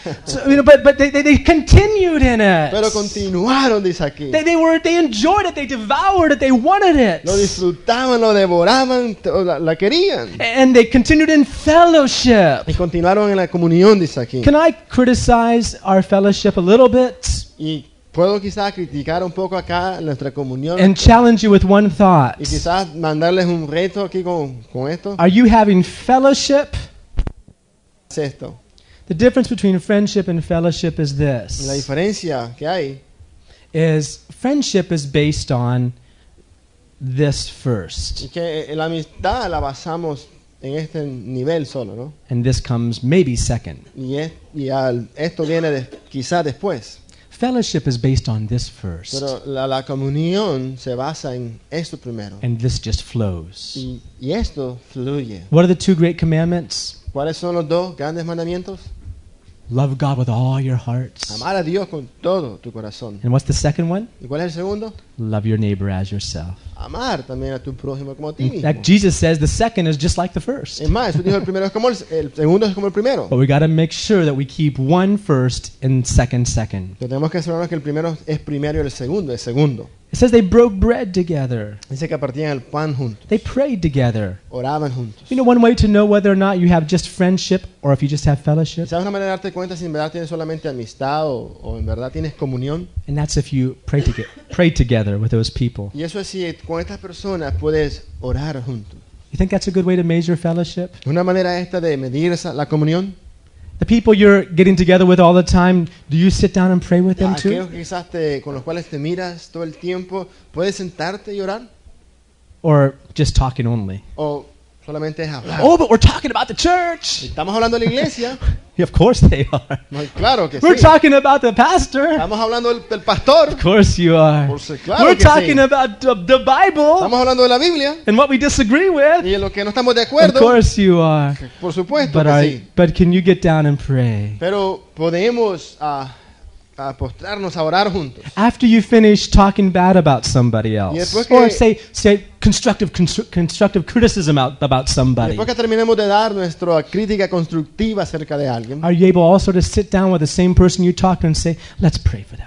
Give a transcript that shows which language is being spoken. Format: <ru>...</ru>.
<en>So, you know, but they continued in it.</en> <es>Pero continuaron, dice aquí.</es> <en>They enjoyed it, they devoured it, they wanted it.</en> <es>Lo disfrutaban, lo devoraban, la querían.</es> <en>And they continued in fellowship.</en> <es>Y continuaron en la comunión, dice aquí.</es> <en>Can I criticize our fellowship a little bit?</en> <es>Y puedo quizás criticar un poco acá nuestra comunión.</es> <en>And challenge you with one thought.</en> <es>Y quizás mandarles un reto aquí con esto.</es> <en>Are you having fellowship?</en> <es>Es esto.</es> <en>The difference between friendship and fellowship is this.</en> <es>La diferencia que hay</es> <en>is friendship is based on this first.</en> <es>Y que la amistad la basamos en este nivel solo, ¿no?</es> <en>And this comes maybe second.</en> <es>Esto viene quizá después.</es> <en>Fellowship is based on this first.</en> <es>Pero la comunión se basa en esto primero.</es> <en>And this just flows.</en> <es>Y esto fluye.</es> <en>What are the two great commandments?</en> <es>¿Cuáles son los dos grandes mandamientos?</es> <en>Love God with all your hearts.</en> <es>Amar a Dios con todo tu corazón.</es> <en>And what's the second one?</en> <es>¿Y cuál es el segundo?</es> <en>Love your neighbor as yourself.</en> <es>amar también a tu prójimo como a ti mismo.</es> <en>In fact, Jesus says the second is just like the first.</en> <es>Es más, Jesús dijo el primero es como el segundo es como el primero.</es> <en>But we got to make sure that we keep one first and second second.</en> <es>Tenemos que asegurarnos que el primero es primero y el segundo es segundo.</es> <en>It says they broke bread together.</en> <es>Dice que partían el pan juntos.</es> <en>They prayed together.</en> <es>Oraban juntos.</es> <en>You know, one way to know whether or not you have just friendship or if you just have fellowship.</en> <es>¿Sabes una manera de darte cuenta si en verdad tienes solamente amistad o en verdad tienes comunión?</es> <en>And that's if you pray pray together with those people.</en> <es>Y eso es si con estas personas puedes orar juntos.</es> <en>You think that's a good way to measure fellowship?</en> <es>Una manera esta de medir la comunión.</es> <en>The people you're getting together with all the time, do you sit down and pray with them too?</en> <es>Aquellos quizás con los cuales te miras todo el tiempo, ¿puedes sentarte y orar?</es> <en>Or just talking only.</en> <es>O solamente hablar.</es> <en>Oh, but we're talking about the church.</en> <es>Estamos hablando de la iglesia.</es> <en>Of course they are.</en> <es>Claro que sí.</es> <en>We're talking about the pastor.</en> <es>Estamos hablando del pastor.</es> <en>Of course you are.</en> <es>Por si, claro</es> <en>we're</en> <es>que</es> <en>talking</en> <es>sí.</es> <en>about the Bible.</en> <es>Estamos hablando de la Biblia.</es> <en>And what we disagree with.</en> <es>Y en lo que no estamos de acuerdo.</es> <en>Of course you are.</en> <es>Por supuesto</es> <en>but</en> <es>que</es> <en>are,</en> <es>sí.</es> <en>But can you get down and pray?</en> <es>Pero podemos a postrarnos a orar juntos.</es> <en>After you finish talking bad about somebody else.</en> <es>Y después que,</es> <en>or say constructive criticism about somebody.</en> <es>Después que terminemos de dar nuestra crítica constructiva acerca de alguien.</es> <en>Are you able also to sit down with the same person you talked to and say, let's pray for that</en>